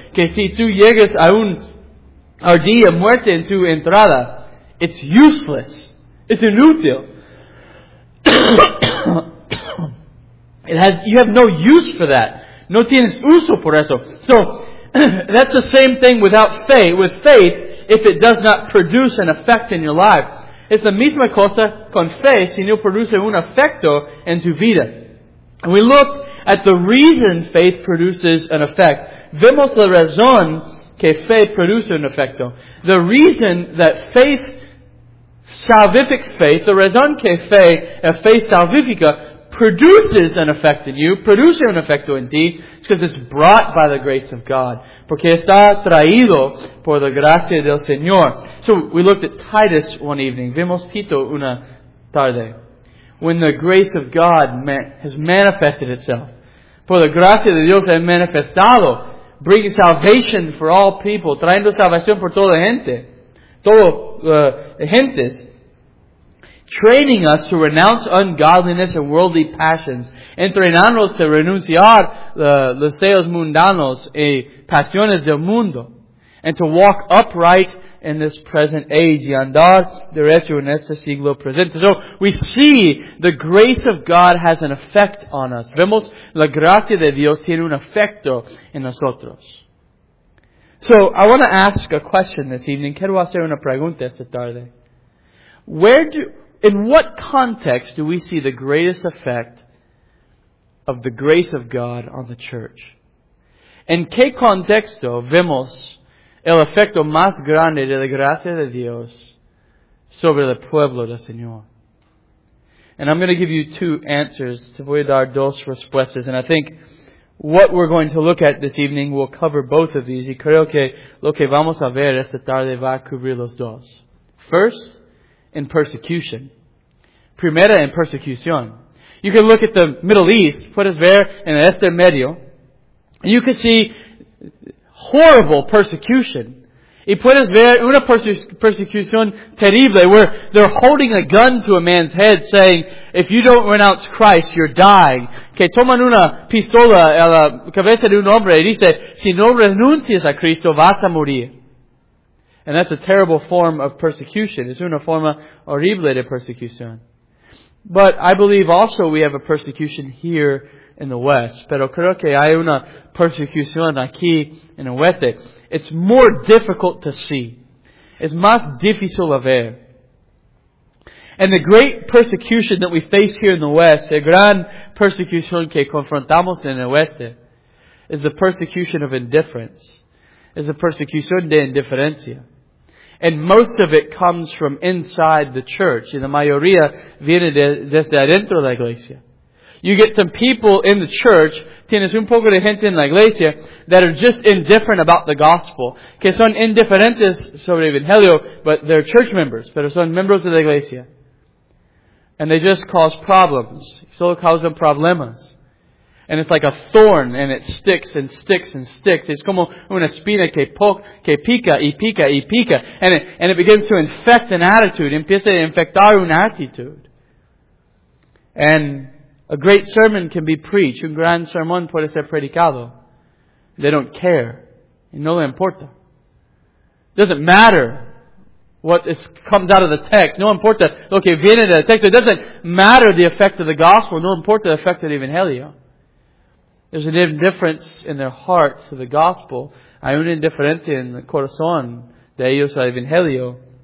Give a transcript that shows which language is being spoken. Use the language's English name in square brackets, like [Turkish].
[Spanish] Que si tú llegas a un ardilla muerta en tu entrada, [English] it's useless. It's [Spanish] inútil. [English] You have no use for that. [Spanish] No tienes uso por eso. [English] So, that's the same thing without faith. With faith, if it does not produce an effect in your life. [Spanish] Es la misma cosa con fe si no produce un efecto en tu vida. [English] And we looked at the reason faith produces an effect. [Spanish] Vemos la razón que fe produce un efecto. [English] The reason that faith, salvific faith, the raison que fe, a faith salvifica, produces an effect in you, [Spanish] produce un efecto en ti, [English] it's because it's brought by the grace of God. [Spanish] Porque está traído por la gracia del Señor. [English] So we looked at Titus one evening. [Spanish] Vimos Tito una tarde. [English] When the grace of God has manifested itself. [Spanish] Por la gracia de Dios ha manifestado. [English] Bringing salvation for all people. [Spanish] Traiendo salvación por toda la gente. Todo gentes. [English] Training us to renounce ungodliness and worldly passions. [Spanish] Entrenándonos a renunciar los deseos mundanos y pasiones del mundo. [English] And to walk upright in this present age. [Spanish] Y andar derecho en este siglo presente. [English] So we see the grace of God has an effect on us. [Spanish] Vemos la gracia de Dios tiene un efecto en nosotros. [English] So I want to ask a question this evening. [Spanish] Quiero hacer una pregunta esta tarde. [English] In what context do we see the greatest effect of the grace of God on the church? [Spanish] ¿En qué contexto vemos el efecto más grande de la gracia de Dios sobre el pueblo del Señor? [English] And I'm going to give you two answers. [Spanish] Te voy a dar dos respuestas. [English] And I think what we're going to look at this evening will cover both of these. [Spanish] Y creo que lo que vamos a ver esta tarde va a cubrir los dos. [English] First, in persecution. [Spanish] Primera en persecución. [English] You can look at the Middle East, [Spanish] puedes ver en este medio, [English] and you can see horrible persecution. [Spanish] Y puedes ver una persecución terrible [English] where they're holding a gun to a man's head saying, if you don't renounce Christ, you're dying. [Spanish] Que toman una pistola a la cabeza de un hombre y dice, si no renuncias a Cristo, vas a morir. [English] And that's a terrible form of persecution. [Spanish] Es una forma horrible de persecución. [English] But I believe also we have a persecution here in the West. [Spanish] Pero creo que hay una persecución aquí en el Oeste. [English] It's more difficult to see. [Spanish] Es más difícil de ver. [English] And the great persecution that we face here in the West, [Spanish] la gran persecución que confrontamos en el Oeste, [English] is the persecution of indifference. [Spanish] Es la persecución de indiferencia. [English] And most of it comes from inside the church. [Spanish] Y la mayoría viene desde adentro de la iglesia. [English] You get some people in the church, [Spanish] tienes un poco de gente en la iglesia, [English] that are just indifferent about the gospel. [Spanish] Que son indiferentes sobre el evangelio, [English] but they're church members. [Spanish] Pero son miembros de la iglesia. [English] And they just cause problems. [Spanish] Solo causan problemas. [English] And it's like a thorn, and it sticks and sticks and sticks. [Spanish] It's como una espina que pica y pica y pica. [English] And it begins to infect an attitude. [Spanish] Empieza a infectar una actitud. [English] And a great sermon can be preached. [Spanish] Un gran sermón puede ser predicado. [English] They don't care. [Spanish] Y no le importa. [English] It doesn't matter what comes out of the text. [Spanish] No importa lo que viene del texto. [English] It doesn't matter the effect of the gospel. [Spanish] No importa [English] the effect of the evangelio. There's an indifference in their heart to the gospel. [Spanish] Hay una indiferencia en el corazón de ellos al evangelio.